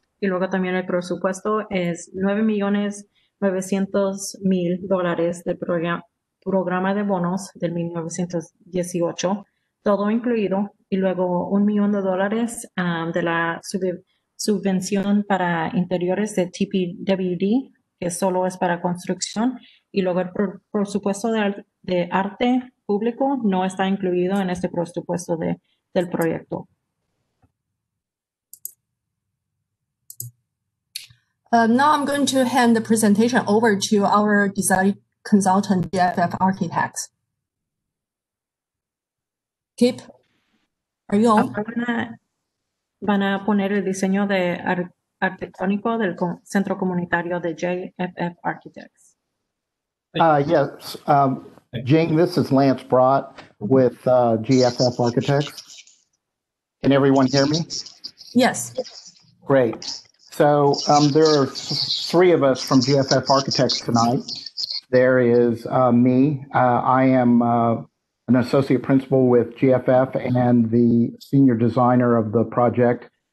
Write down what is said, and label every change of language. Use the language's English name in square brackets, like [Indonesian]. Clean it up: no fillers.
[Spanish] Y luego también el presupuesto es $9,900,000 del programa de bonos del 1918, todo incluido, y luego $1,000,000 de la subvención para interiores de TPWD, que solo es para construcción, y luego el presupuesto de arte público no está incluido en este presupuesto del proyecto. [English] Now I'm going to hand the presentation over to our design consultant, GFF Architects. Kip, are you on? [Spanish] Van a poner el diseño de arquitectónico del centro comunitario de GFF Architects. [English] Yes, Jing, this is Lance Brott with GFF Architects. Can everyone hear me? Yes. Great. So there are three of us from GFF Architects tonight. There is me. I am an associate principal with GFF and the senior designer of the project.